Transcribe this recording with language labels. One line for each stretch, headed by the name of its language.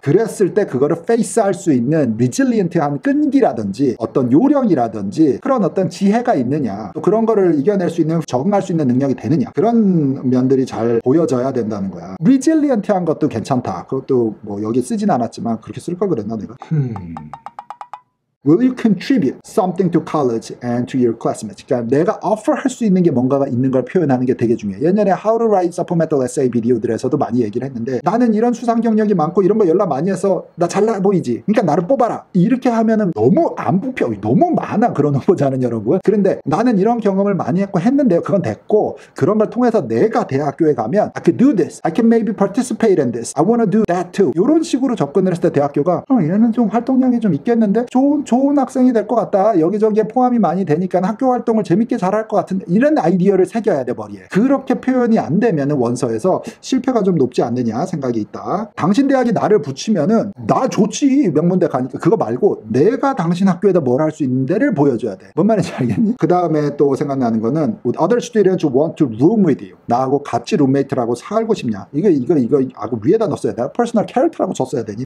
Korean: 그랬을 때 그거를 페이스할 수 있는 resilient한 끈기라든지 어떤 요령이라든지 그런 어떤 지혜가 있느냐, 또 그런 거를 이겨낼 수 있는 적응할 수 있는 능력이 되느냐, 그런 면들이 잘 보여져야 된다는 거야. resilient한 것도 괜찮다. 그것도 뭐 여기 쓰진 않았지만 그렇게 쓸 걸 그랬나 내가.
English: Will you contribute something to college and to your classmates?
Korean: 그러니까 내가 offer 할 수 있는 게 뭔가가 있는 걸 표현하는 게 되게 중요해. 옛날에
English: How to write supplemental essay
Korean: 비디오들에서도 많이 얘기를 했는데 나는 이런 수상 경력이 많고 이런 거 연락 많이 해서 나 잘나 보이지? 그러니까 나를 뽑아라. 이렇게 하면은 너무 안 뽑혀. 너무 많아 그런 후보자는 여러분. 그런데 나는 이런 경험을 많이 했고 했는데요. 그건 됐고 그런 걸 통해서 내가 대학교에 가면
English: I can do this. I can maybe participate in this. I want to do that too.
Korean: 이런 식으로 접근을 했을 때 대학교가 얘는 좀 활동량이 좀 있겠는데 좋은 학생이 될 것 같다. 여기저기에 포함이 많이 되니까 학교 활동을 재밌게 잘할 것 같은데 이런 아이디어를 새겨야 돼 머리에. 그렇게 표현이 안 되면 원서에서 실패가 좀 높지 않느냐 생각이 있다. 당신 대학이 나를 붙이면 나 좋지 명문대 가니까. 그거 말고 내가 당신 학교에다 뭘 할 수 있는데를 보여줘야 돼. 뭔 말인지 알겠니? 그 다음에 또 생각나는 거는
English: Other students want to room with you.
Korean: 나하고 같이 룸메이트라고 살고 싶냐. 이거 하고 위에다 넣었어야 돼. Personal character라고 썼어야 되니.